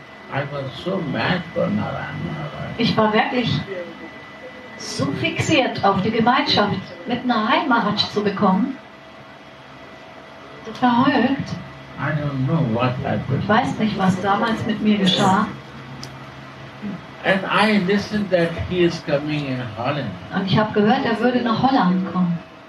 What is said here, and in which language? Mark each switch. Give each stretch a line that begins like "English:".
English: I was so mad for Narayana.
German: Ich war wirklich so fixiert auf die Gemeinschaft mit Narayana Maharaj zu bekommen. Verrückt.
English: I don't know what happened.
German: Ich weiß nicht, was damals mit mir geschah.
English: And I listened that he is coming in Holland.
German: Und ich habe gehört, er würde nach Holland kommen.